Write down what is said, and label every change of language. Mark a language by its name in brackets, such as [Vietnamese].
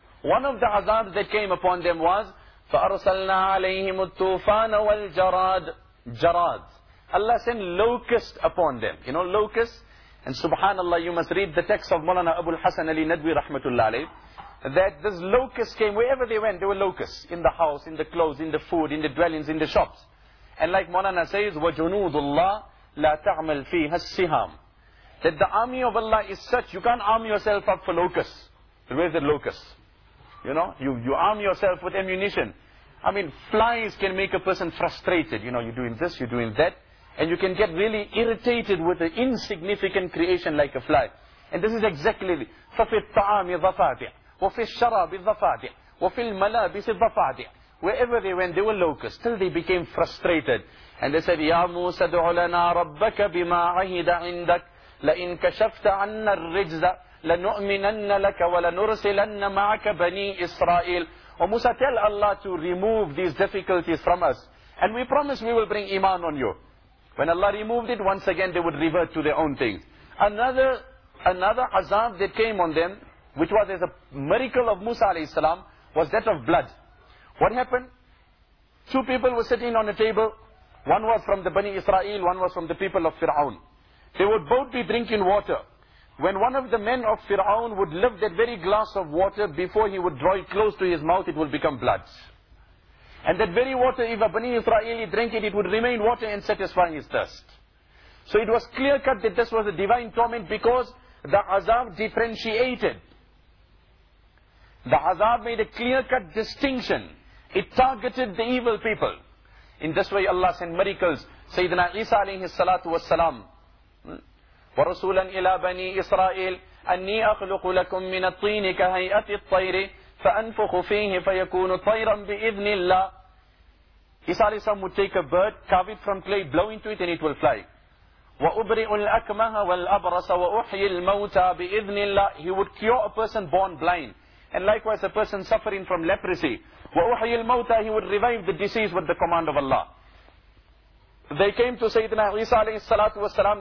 [English] One of the azabs that came upon them was, [Arabic] فَأَرْسَلْنَا عَلَيْهِمُ الطُّوفَانَ وَالْجَرَادِ. جَرَاد. [English] Allah sent locust upon them. You know locust? And subhanallah, you must read the text of Mawlana Abu al-Hasan Ali Nadwi rahmatullah alayh, that this locust came, wherever they went, there were locusts. In the house, in the clothes, in the food, in the dwellings, in the shops. And like Mawlana says, [Arabic] وَجُنُودُ اللَّهِ لَا تَعْمَلْ فِيهَا السِّهَامِ. [English] That the army of Allah is such, you can't arm yourself up for locusts. Where's the locust? You know, you arm yourself with ammunition. I mean, flies can make a person frustrated. You know, you're doing this, you're doing that. And you can get really irritated with an insignificant creation like a fly. And this is exactly it. [Arabic] فَفِي الطَّعَامِ ظَفَادِعَ وَفِي الشَّرَابِ ظَفَادِعَ وَفِي الْمَلَابِسِ ظَفَادِعَ. [English] Wherever they went, they were locusts, till they became frustrated. And they said, [Arabic] يَا مُوسَ دُعُ لَنَا رَبَّكَ بِمَا عَهِدَ عِنْدَكَ لَإِنْ كَشَفْتَ عَنَّا الرِّجْزَ لَنُؤْمِنَنَّ لَكَ وَلَنُرْسِلَنَّ مَعَكَ بَنِي إِسْرَائِيلَ. [English] Oh Musa, tell Allah to remove these difficulties from us. And we promise we will bring iman on you. When Allah removed it, once again they would revert to their own things. Another azab that came on them, which was as a miracle of Musa alayhi salam, was that of blood. What happened? Two people were sitting on a table. One was from the Bani Israel, one was from the people of Fir'aun. They would both be drinking water. When one of the men of Fir'aun would lift that very glass of water, before he would draw it close to his mouth, it would become blood. And that very water, if a Bani Israeli drank it, it would remain water and satisfy his thirst. So it was clear cut that this was a divine torment, because the azab differentiated. The azab made a clear cut distinction. It targeted the evil people. In this way Allah sent miracles. [Arabic] Sayyidina Isa alayhi salatu wasalam, وَرَسُولًا إِلَى بَنِي إِسْرَائِيلَ أَنِّي أَخْلُقُ لَكُم مِّنَ الطِّينِ كَهَيْئَةِ الطَّيْرِ فَأَنفُخُ فِيهِ فَيَكُونُ طَيْرًا بِإِذْنِ اللَّهِ. [English] Isa alayhi salam would take a bird, carve it from clay, blow into it and it will fly. [Arabic] وَأُبْرِئُ الْأَكْمَهَ وَالْأَبْرَصَ وَأُحْيِي الْمَوْتَى بِإِذْنِ اللَّهِ. [English] He would cure a person born blind, and likewise a person suffering from leprosy. [Arabic] وَأُحْيِي الْمَوْتَى. [English] He would revive the deceased with the command of Allah. They came to Sayyidina Isa alayhi salatu wasalam.